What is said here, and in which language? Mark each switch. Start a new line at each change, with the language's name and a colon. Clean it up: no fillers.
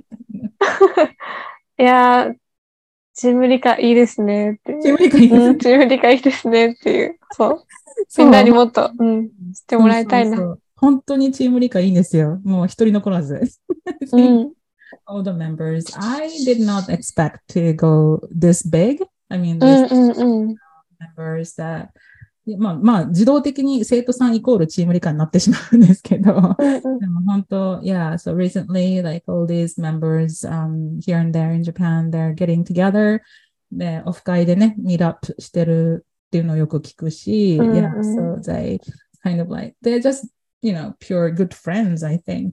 Japanese: ったね。いやー、ジムリカいいですねっていう。ジムリカいいですね。ジムリカいいですねっていう。そう。みんなにもっと、うん、知ってもらいたいな。そうそうそう本当にジムリカいいんですよ。もう一人残らず。
English: See, all the members. I did not expect to go this big. I mean, this members that.
Japanese: まあ、まあ、自動的に生徒さんイコールチームリカになってしまうんですけど。でも本当、
English: yeah, so recently, like all these members, here and there in Japan, they're getting together.
Japanese: で、オフ会でね、meet up してるっていうのをよく聞くし、
English: yeah, so they kind of like, they're just, you know, pure good friends, I think.